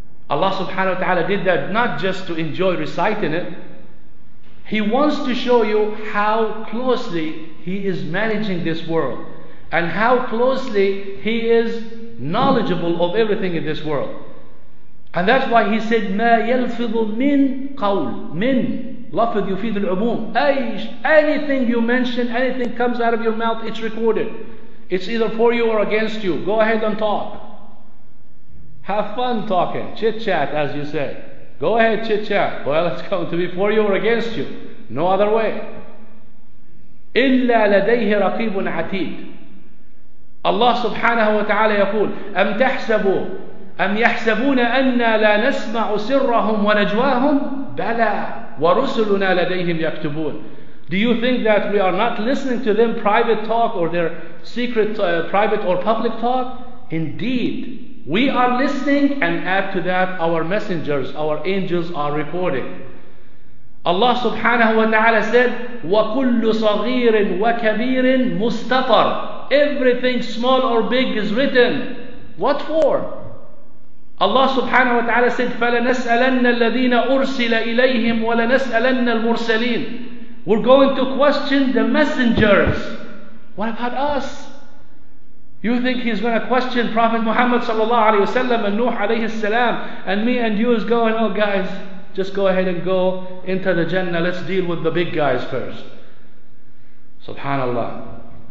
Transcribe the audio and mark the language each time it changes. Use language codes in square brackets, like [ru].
[en] Allah subhanahu wa ta'ala did that not just to enjoy reciting it. He wants to show you how closely He is managing this world and how closely He is knowledgeable of everything in this world. And that's why He said, [ar] مَا يَلْفِظُ مِنْ قَوْلٍ مِنْ لَفِظْ يُفِيدُ الْعُمُومِ. [en] Anything you mention, anything comes out of your mouth, it's recorded. It's either for you or against you. Go ahead and talk. Have fun talking. Chit-chat, as you say. Go ahead, chit-chat. Well, it's going to be for you or against you. No other way. [ar] إِلَّا لَدَيْهِ رَقِيبٌ عَتِيدٌ. Allah subhanahu wa ta'ala يقول, أَمْ تَحْسَبُوا أَمْ يَحْسَبُونَ أَنَّا لَا نَسْمَعُ سِرَّهُمْ وَنَجْوَاهُمْ بَلَى وَرُسُلُنَا لَدَيْهِمْ يَكْتُبُونَ. [en] Do you think that we are not listening to them private talk or their secret private or public talk? Indeed, we are listening, and add to that our messengers, our angels are recording. Allah subhanahu wa ta'ala said, [ar] وَكُلُّ صَغِيرٍ وَكَبِيرٍ مُسْتَطَرٍ. [en] Everything small or big is written. What for? [ar] Allah subhanahu wa ta'ala said, فَلَنَسْأَلَنَّ الَّذِينَ أُرْسِلَ إِلَيْهِمْ وَلَنَسْأَلَنَّ الْمُرْسَلِينَ. [en] We're going to question the messengers. What about us? You think He's going to question Prophet Muhammad sallallahu alayhi wa sallam and Nuh alayhi salam, and me and you is going, oh guys, just go ahead and go into the Jannah, let's deal with the big guys first. Subhanallah.